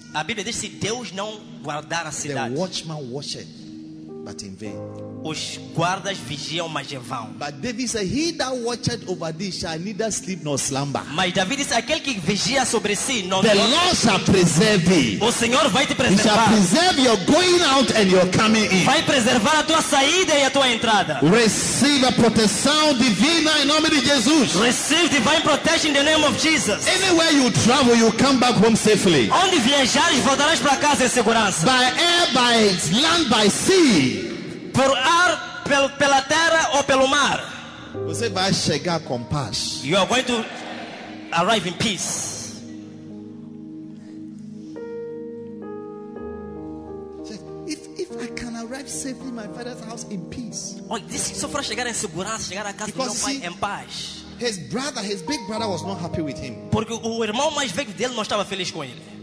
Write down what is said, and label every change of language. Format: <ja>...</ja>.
<pt>a Bíblia diz se Deus não guardar a cidade,</pt> <en>the watchman watches, but in vain.</en> <pt>Os guardas vigiam, mas em vão.</pt> <en>But David said, he that watched over thee shall neither sleep nor slumber.</en> <pt>Mas David disse, aquele que vigia sobre si não.</pt> <en>The Lord shall preserve thee.</en> <pt>O Senhor vai te preservar.</pt> <en>He shall preserve your going out and your coming in.</en> <pt>Vai preservar a tua saída e a tua entrada.</pt> <en>Receive</en> <pt>a proteção divina em nome de Jesus.</pt> <en>Receive divine protection in the name of Jesus. Anywhere you travel, you come back home safely.</en> <pt>Onde viajares, voltarás para casa em segurança.</pt> <en>By air, by land, by sea.</en> <pt>Por ar, pela terra ou pelo mar. Você vai chegar com paz.</pt> <en>You are going to arrive in peace. If I can arrive safely in my father's house in peace. Oh, this is</en> <pt>só para chegar em segurança, chegar à casa do meu pai em paz.</pt> <en>His brother, his big brother was not happy with him.</en> <pt>Porque o irmão mais velho dele não estava feliz com ele.</pt>